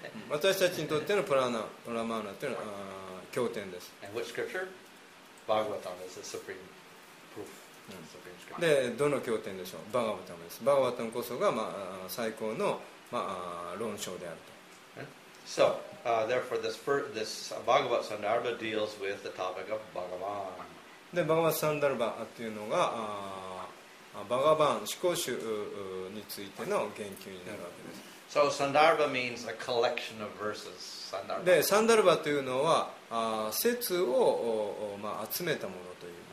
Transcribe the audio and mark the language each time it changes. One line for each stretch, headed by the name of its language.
Japanese: 私たちにとってのプラマーナというのは経典です。
English: And which scripture? Bhagavatam is the supreme proof.
Japanese: でどの経典でしょう。バガバタムです。バガバタムこそが、まあ、最高の、まあ、論証であると。
English: So, therefore this Bhagavata Sandarbha deals with the topic of Bhagavan.
Japanese: で、バガバタムサンダルバというのがバガバン、思考集についての言及になるわけです。
English: So, Sandarbha means a collection of verses. Sandarbha.
Japanese: で、サンダルバというのは説を、まあ、集めたものという。